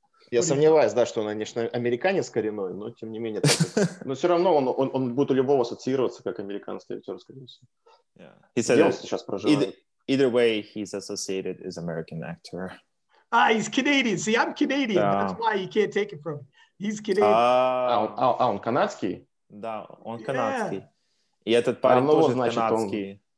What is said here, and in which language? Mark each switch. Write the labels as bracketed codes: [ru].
[ru] Я сомневаюсь, да, что он, конечно, американец коренной, но тем не менее. Но все равно он будет у любого ассоциироваться как американский актер, скорее всего. [en] Yeah. He said that either way, he's associated as American actor. Ah, he's Canadian. See, I'm Canadian. Yeah. That's why you can't take it from me. He's Canadian. [ru] Он канадский? Да, он канадский. И этот парень тоже канадский.